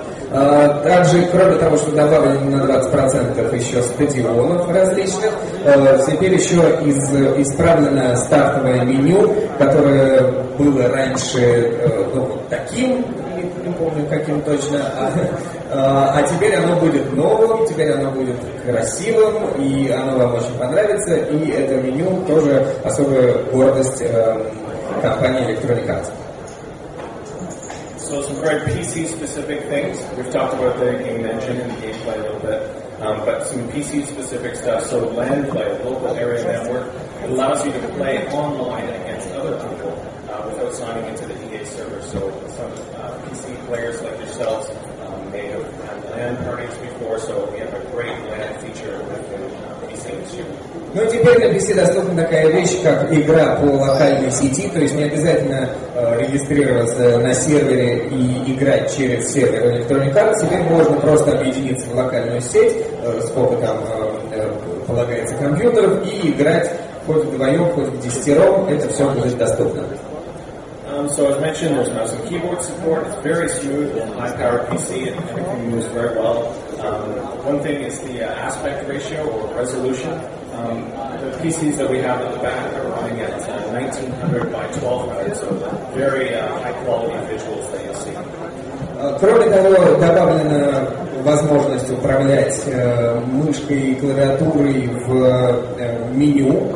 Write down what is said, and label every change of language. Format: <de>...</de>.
<ru>Также, кроме того, что добавили на 20% еще стадионов различных, теперь еще исправлено стартовое меню, которое было раньше таким, не помню каким точно, а теперь оно будет новым, теперь оно будет красивым, и оно вам очень понравится, и это меню тоже особая гордость компании Electronic Arts.</ru> <en>So some very PC-specific things. We've talked about the game engine and the gameplay a little bit, but some PC-specific stuff. So LAN play, local area network, allows you to play online against other people without signing into the EA server. So some PC players like yourselves may have had LAN parties before, so we have a great LAN feature with PC this year.</en> <ru>Ну и теперь на PC доступна такая вещь, как игра по локальной сети, то есть не обязательно регистрироваться на сервере и играть через сервер Electronic Arts, теперь можно просто объединиться в локальную сеть, сколько там полагается компьютеров, и играть хоть вдвоем, хоть вдесятером, это все будет доступно.</ru> <en>So as mentioned, there's mouse and keyboard support. It's very smooth on high-powered PC and it can use very well. One thing is the aspect ratio or resolution. The PCs that we have at the back are running at 1900 by 1200, so very high-quality visuals that you see.</en> <ru>Кроме того, добавлена возможность управлять мышкой и клавиатурой в меню.</ru>